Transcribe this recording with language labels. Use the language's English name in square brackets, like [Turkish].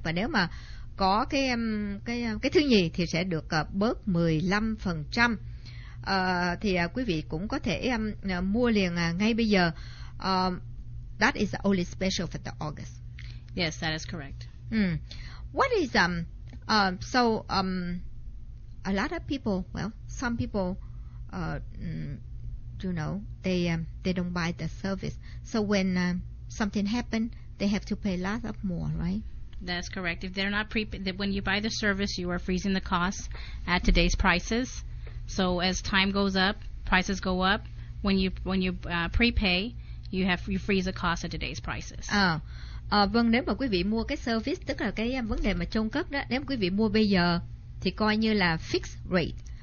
[Vietnamese] Và nếu mà có cái thứ nhì thì sẽ được bớt 15%. Thì quý vị cũng có thể mua liền ngay bây giờ. [English] That is the only special for the August. Yes, that is correct. Mm. What is a lot of people, well, some people you know, they don't buy the service. So when something happened, they have to pay a lot of more, right? That's correct. If they're not when you buy the service, you are freezing the costs at today's prices. So as time goes up, prices go up. When you prepay, you freeze the cost at today's prices. [Vietnamese] Vâng, nếu mà quý vị mua cái service, tức là cái vấn đề mà chôn cất đó, nếu quý vị mua bây giờ thì coi như là fixed rate.